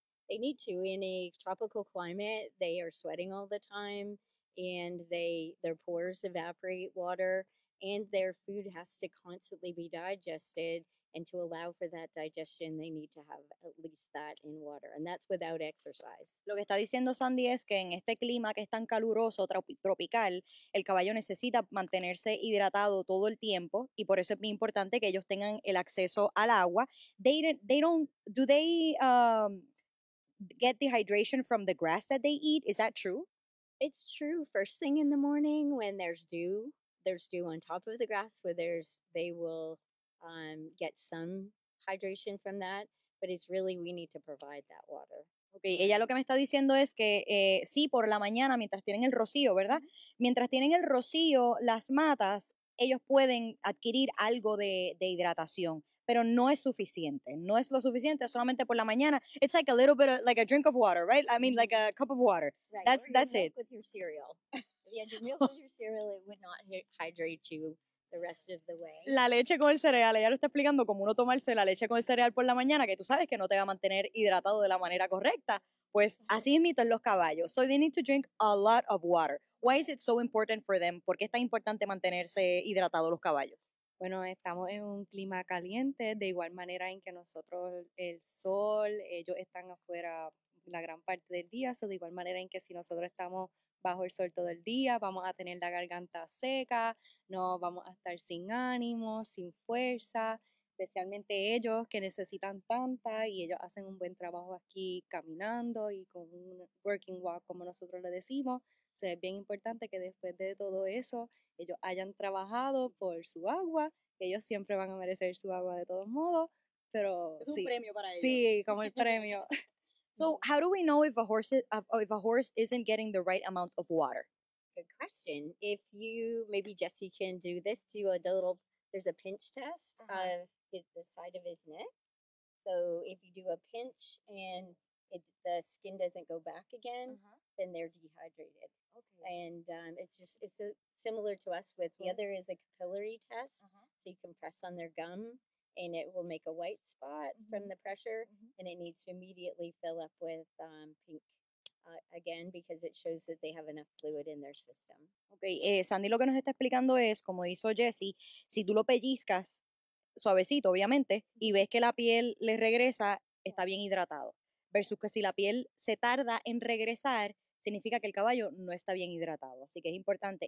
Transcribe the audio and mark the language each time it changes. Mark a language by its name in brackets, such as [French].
[English] They need to. In a tropical climate, they are sweating all the time, and their pores evaporate water, and their food has to constantly be digested. And to allow for that digestion, they need to have at least that in water. And that's without exercise. [Spanish] Lo que está diciendo Sandy es que en este clima que es tan caluroso, tropical, el caballo necesita mantenerse hidratado todo el tiempo. Y por eso es muy importante que ellos tengan el acceso al agua. [English] Do they get the hydration from the grass that they eat? Is that true? It's true. First thing in the morning when there's dew on top of the grass where they will... get some hydration from that, but it's really we need to provide that water. [Spanish] Okay, ella lo que me está diciendo es que sí, por la mañana, mientras tienen el rocío, ¿verdad? Mientras tienen el rocío, las matas, ellos pueden adquirir algo de hidratación, pero no es suficiente, no es lo suficiente, solamente por la mañana. [English] It's like a little bit of, like a drink of water, right? I mean, like a cup of water. Right. That's it. With your cereal. If you had your milk with your cereal, it would not hydrate you. The rest of the way. [Spanish] La leche con el cereal, ella lo está explicando como uno tomarse la leche con el cereal por la mañana, que tú sabes que no te va a mantener hidratado de la manera correcta. Pues así mismo los caballos. [English] So they need to drink a lot of water. Why is it so important for them? [Spanish] ¿Por qué es tan importante mantenerse hidratados los caballos? Bueno, estamos en un clima caliente, de igual manera en que nosotros el sol, ellos están afuera la gran parte del día, so de igual manera en que si nosotros estamos bajo el sol todo el día, vamos a tener la garganta seca, no vamos a estar sin ánimo, sin fuerza, especialmente ellos que necesitan tanta y ellos hacen un buen trabajo aquí caminando y con un working walk, como nosotros le decimos. O sea, es bien importante que después de todo eso, ellos hayan trabajado por su agua, que ellos siempre van a merecer su agua de todos modos, pero es un premio para ellos. Sí, como el premio. [English] So how do we know if a horse isn't getting the right amount of water? Good question. If you, maybe Jesse can do this, do a little, there's a pinch test. Uh-huh. hit the side of his neck. So if you do a pinch and the skin doesn't go back again, then they're dehydrated. Okay. And it's just, it's a, similar to us with the other is a capillary test. So you can press on their gum and it will make a white spot from the pressure and it needs to immediately fill up with pink again because it shows that they have enough fluid in their system. [Spanish] Okay, Sandy lo que nos está explicando es, como hizo Jesse, si tú lo pellizcas suavecito, obviamente, y ves que la piel le regresa, está bien hidratado. Versus que si la piel se tarda en regresar, significa que el caballo no está bien hidratado. Así que es importante.